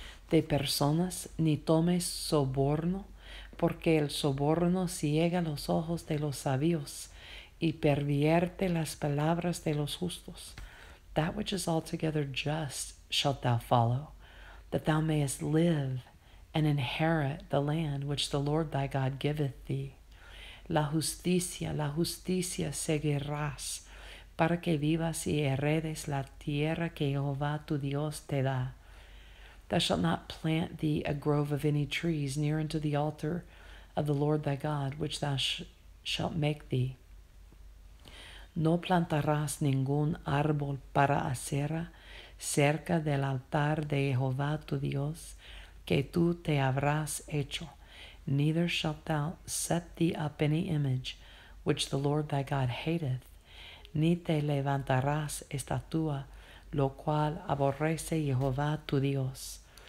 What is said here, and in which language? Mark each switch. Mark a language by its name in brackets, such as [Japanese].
[Spanish] De personas, ni tomes soborno, porque el soborno ciega los ojos de los sabios y pervierte las palabras de los justos. [English] That which is altogether just shalt thou follow, that thou mayest live and inherit the land which the Lord thy God giveth thee. [Spanish] La justicia seguirás, para que vivas y heredes la tierra que Jehová tu Dios te da. [English] Thou shalt not plant thee a grove of any trees near unto the altar of the Lord thy God, which thou shalt make thee. [Spanish] No plantarás ningún árbol para acera cerca del altar de Jehová tu Dios, que tú te habrás hecho. [English] Neither shalt thou set thee up any image, which the Lord thy God hateth, [Spanish] ni te levantarás estatua, lo cual aborrece Jehová tu Dios.